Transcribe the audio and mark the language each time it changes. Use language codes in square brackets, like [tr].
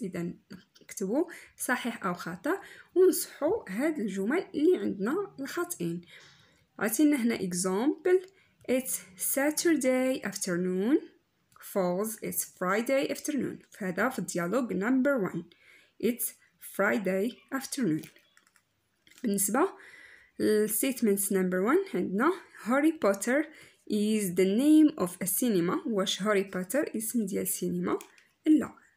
[ar] إذا اكتبوا صحيح أو خطأ ونصحوا هاد الجمل اللي عندنا الخطئين. عطينا هنا [en] example, it's Saturday afternoon, false, it's Friday afternoon. [ar] فهذا في الديالوج نمبر 1, [en] it's Friday afternoon. [ar] بالنسبة [en] statements number 1 [ar] عندنا [en] Harry Potter is the name of a cinema. [ar] واش Harry Potter اسم ديال سينما؟ لا.